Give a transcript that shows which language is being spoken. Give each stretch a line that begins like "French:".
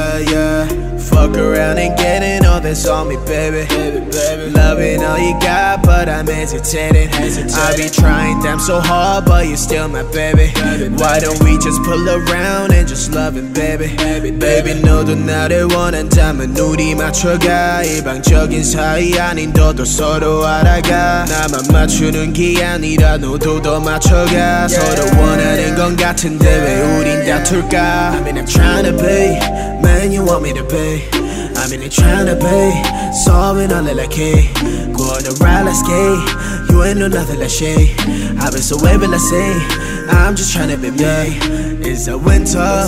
English: Yeah. Fuck around and getting all this on me, baby. Loving all you got, but I'm hesitating. I be trying damn so hard, but you're still my baby. Why don't we just pull around and just love it, baby?
Korean: Baby, 너도 나를 원한다면 눈이 맞춰가. 일방적인 사이 아닌 너도 서로 알아가. 나만 맞추는 게 아니라 너도 더 맞춰가. 서로 원하는 건 같은데 왜 우린 다툴까?
English: I mean, I'm trying to be man you want me to be. I mean, I'm trying to be solving all the key. Go on the ride, let's skate. You ain't no nothing like shade. I've been so wavy, let's say. I'm just trying to be me. It's a winter.